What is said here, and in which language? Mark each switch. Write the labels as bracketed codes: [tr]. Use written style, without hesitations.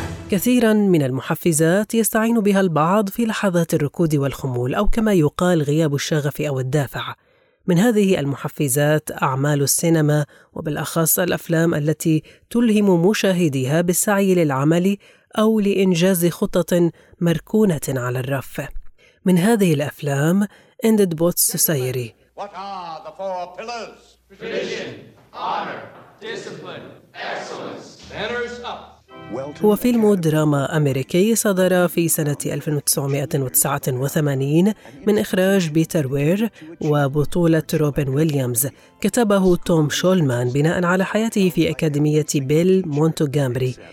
[ar] كثيرا من المحفزات يستعين بها البعض في لحظات الركود والخمول، أو كما يقال غياب الشغف أو الدافع. من هذه المحفزات أعمال السينما، وبالأخص الأفلام التي تلهم مشاهديها بالسعي للعمل أو لإنجاز خطة مركونة على الرف. من هذه الأفلام Ended Boats Society. [en] What are the four pillars? Tradition, honor, discipline, excellence. Banners up. [ar] هو فيلم دراما أمريكي صدر في سنة 1989 من إخراج بيتر وير وبطولة روبن ويليامز، كتبه توم شولمان بناء على حياته في أكاديمية بيل مونتوغامري